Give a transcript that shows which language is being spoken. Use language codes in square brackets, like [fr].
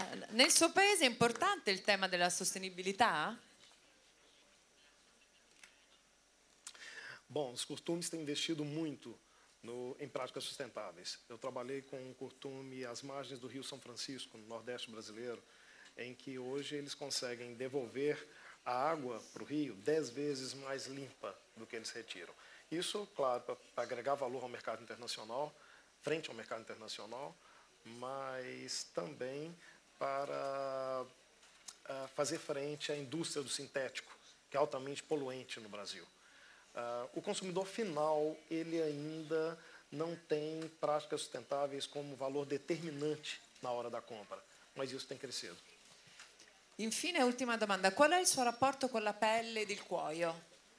[it] Nel suo paese è importante il tema della sostenibilità? [pt] Bom, os costumes têm investido muito em práticas sustentáveis. Eu trabalhei com um costume às margens do Rio São Francisco, no Nordeste brasileiro, em que hoje eles conseguem devolver a água para o rio 10 vezes mais limpa do que eles retiram. Isso, claro, para agregar valor ao mercado internacional, frente ao mercado internacional, mas também para fazer frente à indústria do sintético, que é altamente poluente no Brasil. O consumidor final, ele ainda não tem práticas sustentáveis como valor determinante na hora da compra, mas isso tem crescido. [it] Infine, ultima domanda, qual è il suo rapporto con la pelle del cuoio?